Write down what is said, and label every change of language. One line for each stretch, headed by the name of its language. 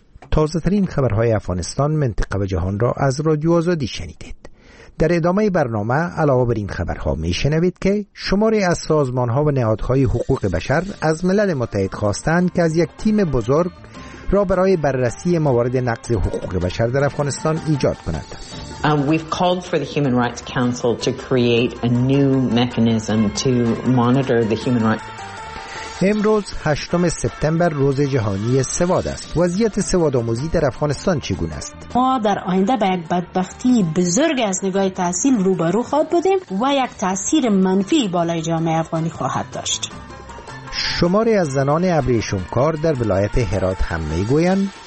Persian: تازه‌ترین خبرهای افغانستان، منطقه و جهان را از رادیو آزادی شنیدید. در ادامه برنامه علاوه بر این خبرها می‌شنوید که شماری از سازمان‌ها و نهادهای حقوق بشر از ملل متحد خواستند که از یک تیم بزرگ را برای بررسی موارد نقض حقوق بشر در افغانستان ایجاد کنند.
English: We've called for the Human Rights Council to create a new mechanism to monitor the human rights.
Persian: امروز 8 سپتامبر روز جهانی سواد است. وضعیت سواد آموزی در افغانستان چگونه است؟ ما در آینده به یک بدبختی بزرگ از نگاه تحصیل روبرو خواهد بودیم و یک تأثیر منفی بالای جامعه افغانی خواهد داشت. شماری از زنان ابریشمکار در ولایت هرات هم میگویند